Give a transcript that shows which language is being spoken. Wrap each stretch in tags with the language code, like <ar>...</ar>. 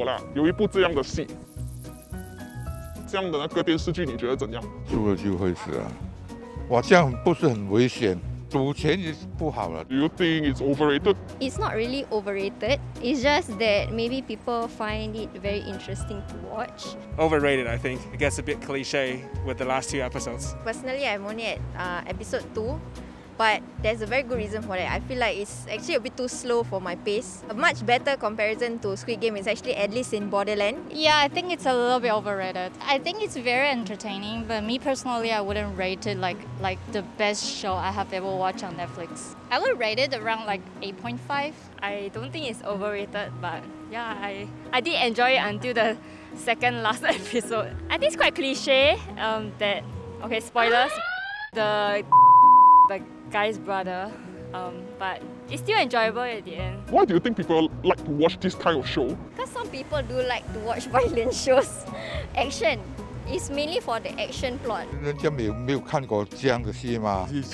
<zh>最近韩国啦，有一部这样的戏， 这样的那个电视剧你觉得怎样? 输了就会死啊，哇，这样不是很危险。赌钱也不好了。</zh> <en>Do you think it's overrated? It's not really overrated. It's just that maybe people find it very interesting to watch. Overrated, I think. It gets a bit cliche with the last 2 episodes. Personally, I'm only at episode 2, but there's a very good reason for that. I feel like it's actually a bit too slow for my pace. A much better comparison to Squid Game is actually at least in Borderland. Yeah, I think it's a little bit overrated. I think it's very entertaining, but me personally, I wouldn't rate it like the best show I have ever watched on Netflix. I would rate it around like 8.5. I don't think it's overrated, but yeah, I did enjoy it until the second last episode. I think it's quite cliche that, okay, spoilers, the guy's brother, but it's still enjoyable at the end. Why do you think people like to watch this kind of show? Because some people do like to watch violent shows. Action. It's mainly for the action plot.</en> <zh>人家没有看过这样的戏吗?</zh>